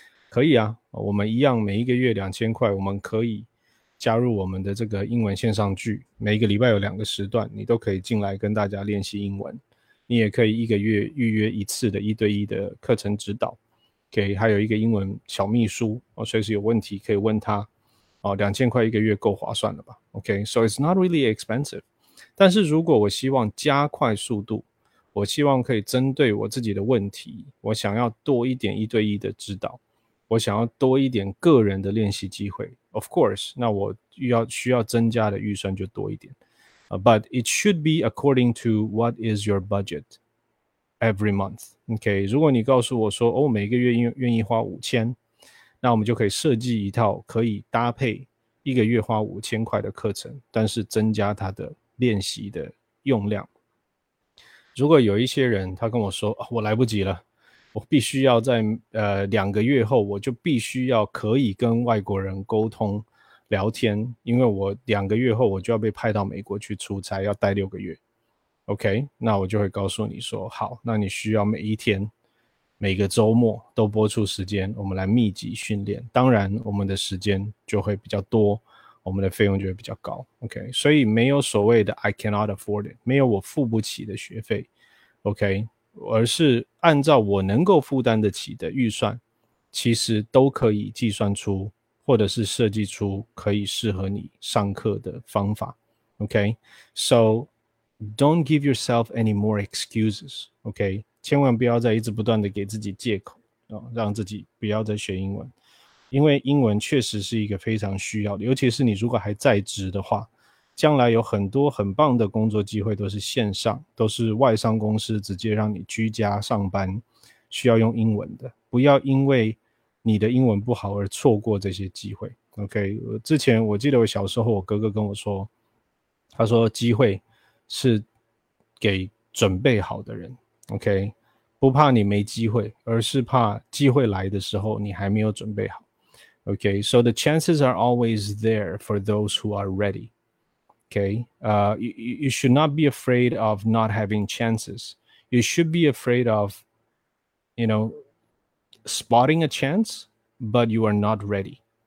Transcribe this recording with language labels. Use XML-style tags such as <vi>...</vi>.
<zh>可以啊，我们一样每一个月2000块，我们可以加入我们的这个英文线上剧，每一个礼拜有2个时段你都可以进来跟大家练习英文，你也可以一个月预约一次的一对一的课程指导，可以还有一个英文小秘书，随时有问题可以问他，2000块一个月够划算了吧 ？</zh> <en>OK， so it's not really expensive。</en> <zh>但是如果我希望加快速度，我希望可以针对我自己的问题，我想要多一点一对一的指导，我想要多一点个人的练习机会。</zh> <en>Of course，</en> <zh>那我需要增加的预算就多一点。</zh> <en>But it should be according to what is your budget every month。</en> <zh>OK， 如果你告诉我说，哦，每个月愿意花5000。那我们就可以设计一套可以搭配一个月花5000块的课程，但是增加他的练习的用量。如果有一些人他跟我说，哦，我来不及了，我必须要在2个月后我就必须要可以跟外国人沟通聊天，因为我2个月后我就要被派到美国去出差，要待6个月。 OK， 那我就会告诉你说，好，那你需要每一天每个周末都播出时间，我们来密集训练，当然我们的时间就会比较多，我们的费用就会比较高。 OK， 所以没有所谓的</zh> <en>I cannot afford it，</en> <zh>没有我付不起的学费。 OK， 而是按照我能够负担得起的预算，其实都可以计算出或者是设计出可以适合你上课的方法。</zh> <en>OK， so don't give yourself any more excuses。</en> <zh>OK，千万不要再一直不断的给自己借口，让自己不要再学英文，因为英文确实是一个非常需要的，尤其是你如果还在职的话，将来有很多很棒的工作机会都是线上，都是外商公司直接让你居家上班需要用英文的，不要因为你的英文不好而错过这些机会。 OK， 之前我记得我小时候我哥哥跟我说，他说机会是给准备好的人。 OK， 不怕你没机会，而是怕机会来的时候你还没有准备好。</zh> <en>OK， so the chances are always there for those who are ready. OK， you should not be afraid of not having chances. You should be afraid of, you know, spotting a chance, but you are not ready.</en>